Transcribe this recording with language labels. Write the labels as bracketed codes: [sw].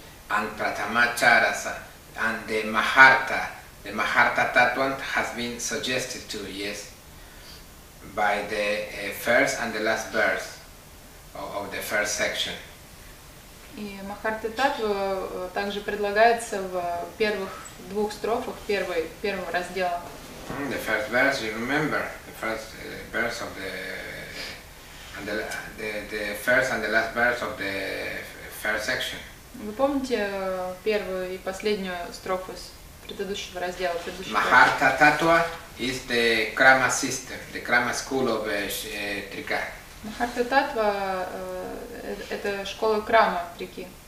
[en] And pratama chara and the maharta tattva has been suggested to, yes, by the first and the last verse of the first section. [ru] И Махарта Таттва также предлагается в первых двух строфах первого раздела. [en] The first verse, you remember, the first verse of the and the first and the last verse of the first section. [ru] Вы помните первую и последнюю строфу из предыдущего раздела? [en] Махарта Таттва is the Krama system, the Krama school of Trika. [ru] Махарта Таттва – это школа Крама Трики.